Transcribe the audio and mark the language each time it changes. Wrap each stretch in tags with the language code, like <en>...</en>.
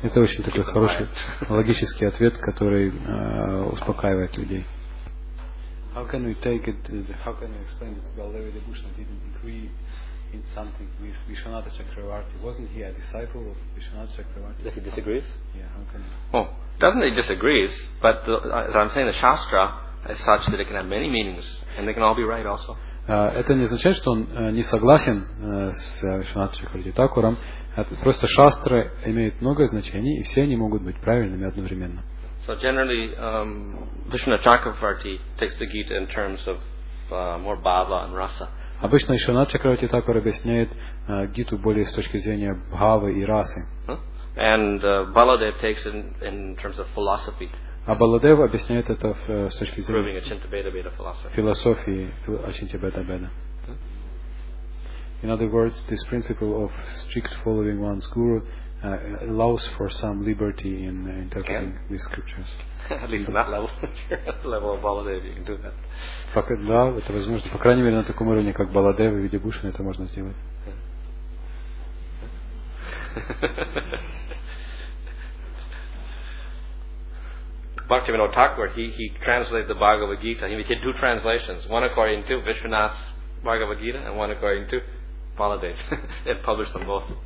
<ru>Это очень такой хороший логический ответ, который успокаивает людей.</ru> <en>How can we take it? How can you explain that Balarama Bhushana didn't agree in something with Vishwanatha Chakravarti? Wasn't he a disciple of Vishwanatha Chakravarti? That he disagrees? Yeah. How can? Well, doesn't he disagrees? But I'm saying the shastra is such that it can have many meanings, and they can all be right also.</en> <ru>Это не означает, что он не согласен с Вишванатха Чакравартти Такуром. Это просто шастры имеют много значений, и все они могут быть правильными одновременно.</ru> <en>So generally, Vishwanatha Chakravarti takes the Gita in terms of more bhava and rasa.</en> <ru>Обычно Вишванатха Чакравартти Такур объясняет Гиту более с точки зрения бхавы и расы.</ru> <en>And Баладев takes it in terms of philosophy.</en> <ru>А Баладев объясняет это с точки зрения философии</ru> <en>Ачинтья-бета-беда. In other words, this principle of strict following one's guru allows for some liberty in interpreting can? These scriptures. At least on that level, level of Baladev, you can do that.</en> <ru>Да, это возможно. По крайней мере, на таком уровне, как Баладев и Види Бушин, это можно сделать.</ru> <en>Bhaktivinoda Thakur, he translated the Bhagavad Gita. He did two translations, one according to Vishwanath's Bhagavad Gita and one according to Baladev. He published them both.</en>